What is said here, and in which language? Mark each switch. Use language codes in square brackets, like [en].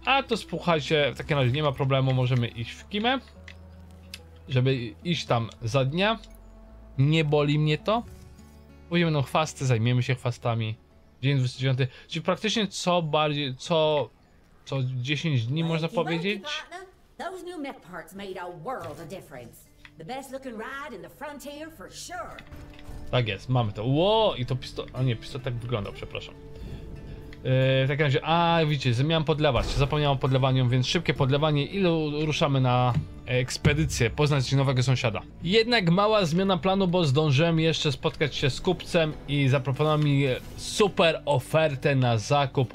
[pl] A to słuchajcie, w takim razie nie ma problemu. Możemy iść w Kimę. Żeby iść tam za dnia. Nie boli mnie to. Pójdziemy na chwasty, zajmiemy się chwastami. Dzień 29. Czyli praktycznie co bardziej, co 10 dni można powiedzieć. [en] Those new mech parts made a world of difference. The best looking ride in the frontier for sure. [pl] Tak jest, mamy to. Ło, i to pistolet. A nie, pistolet tak wyglądał, przepraszam. W takim razie, widzicie, zamiałem podlewać. Zapomniałem o podlewaniu, więc szybkie podlewanie. Ile ruszamy na ekspedycję? Poznać nowego sąsiada. Jednak mała zmiana planu, bo zdążyłem jeszcze spotkać się z kupcem i zaproponował mi super ofertę na zakup.